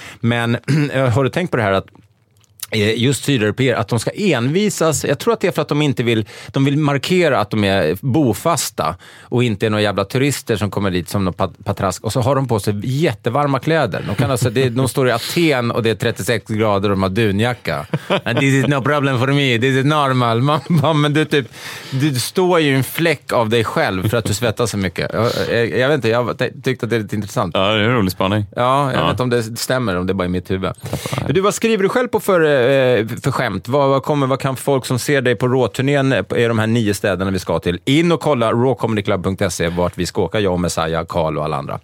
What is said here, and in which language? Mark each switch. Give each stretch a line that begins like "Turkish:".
Swedish: Men har du tänkt på det här att just sydeuropeer, att de ska envisas, jag tror att det är för att de vill markera att de är bofasta och inte är några jävla turister som kommer dit som någon patrask, och så har de på sig jättevarma kläder. De kan alltså, de står i Aten och det är 36 grader och de har dunjacka.
English: This is no problem for me, this is normal.
Swedish: Men du typ, du står ju i en fläck av dig själv för att du svettas så mycket. Jag vet inte, jag tyckte att det är lite intressant. Ja, det är en rolig spaning. Ja, jag vet inte om det stämmer, om det är bara i mitt huvud. Men du, vad skriver du själv på för skämt? Vad kan folk som ser dig på Raw-turnén i de här 9 städerna vi ska till, in och kolla rawcomedyclub.se, vart vi ska åka, jag och Messiah, Carl och alla andra.